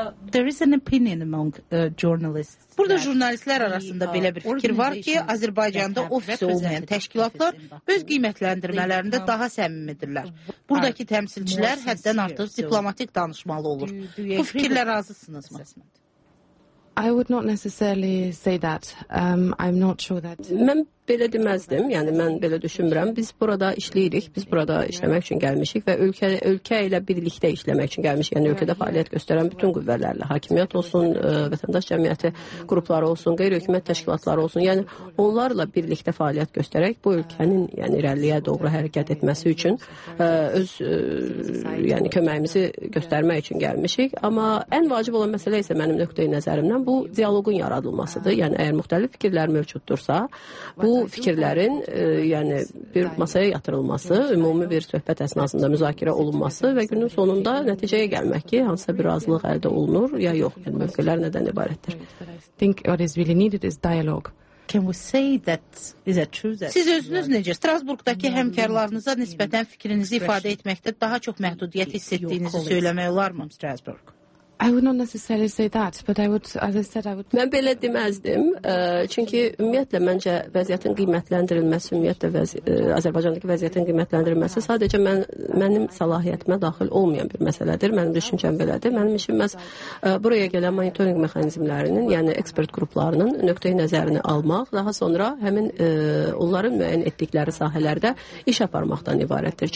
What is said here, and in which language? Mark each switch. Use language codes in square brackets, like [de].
[en] There is an opinion among journalists. [az] Burada jurnalistlər arasında belə bir fikir var ki, Azərbaycanda ofisi olmayan təşkilatlar öz qiymətləndirmələrində daha səmimidirlər. Buradakı təmsilçilər həddən artıq diplomatik danışmalı olur. Bu fikirlə razısınızmı? [en] I would not necessarily say that. I'm not sure that. [az] Mən belə deməzdim. Yəni mən belə düşünmürəm. Biz burada işləyirik. Biz burada işləmək üçün gəlmişik və ölkə ilə birlikdə işləmək üçün gəlmişik. Yəni ölkədə fəaliyyət göstərən bütün qüvvələrlə, hakimiyyət olsun, vətəndaş cəmiyyəti qrupları olsun, qeyri-hökumət təşkilatları olsun. Yəni onlarla birlikdə fəaliyyət göstərək bu ölkənin yəni irəliyə doğru hərəkət etməsi üçün öz yəni köməyimizi göstərmək üçün gəlmişik. Amma ən vacib olan məsələ isə mənim nöqteyi nəzərimdən bu dialoqun yaradılmasıdır. Yəni əgər müxtəlif fikirlər mövcuddursa, bu fikirlərin yəni bir masaya yatırılması, ümumi bir söhbət əsnasında müzakirə olunması və günün sonunda nəticəyə gəlmək ki, hansısa bir razılıq əldə olunur ya yox, yəni mövqelər nədən ibarətdir. [en] Think what is really needed is dialogue. Can we say that is a true that? [az] Siz özünüz necə Strasburqdakı həmkarlarınıza nisbətən fikrinizi ifadə etməkdə daha çox məhdudiyyət hissettiyinizi söyləmək olarmı Strasburq? [en] I would not necessarily say that, but I would, as I said, I would. [az] Mən belə deməzdim, çünki ümumiyyətlə məncə vəziyyətin qiymətləndirilməsi, ümumiyyətlə Azərbaycandakı vəziyyətin qiymətləndirilməsi sadəcə mənim səlahiyyətimə daxil olmayan bir məsələdir. Mənim düşüncəm belədir. Mənim işim məhz buraya gələn monitoring mexanizmlərinin, yəni ekspert qruplarının nöqteyi nəzərini almaq, daha sonra həmin onların müəyyən etdikləri sahələrdə iş aparmaqdan ibarətdir.